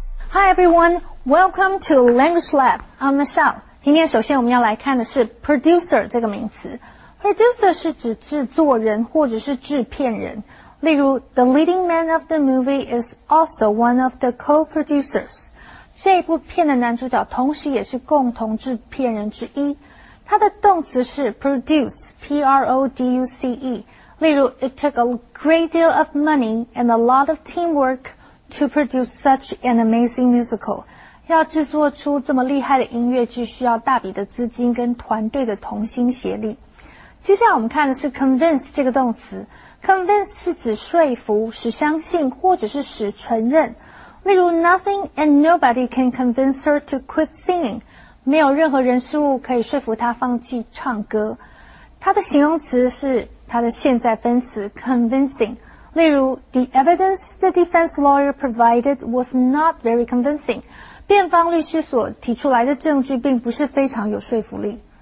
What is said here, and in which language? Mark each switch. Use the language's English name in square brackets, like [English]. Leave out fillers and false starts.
[English] Hi everyone, welcome to Language Lab. I'm Michelle. [Chinese] 今天首先我们要来看的是 producer 这个名词。producer 是指制作人或者是制片人。例如 [English] ,the leading man of the movie is also one of the co-producers. [Chinese] 这一部片的男主角同时也是共同制片人之一。他的动词是 produce, P-R-O-D-U-C-E。例如 [English] ,it took a great deal of money and a lot of teamwork to produce such an amazing musical. [Chinese] 要制作出这么厉害的音乐剧需要大笔的资金跟团队的同心协力。接下来我们看的是 convince 这个动词。convince 是指说服、使相信或者是使承认。例如 [English] nothing and nobody can convince her to quit singing. [Chinese] 没有任何人事物可以说服她放弃唱歌。它的形容词是它的现在分词 convincing。例如 [English] the evidence the defense lawyer provided was not very convincing. [Chinese] 辩方律师所提出来的证据并不是非常有说服力。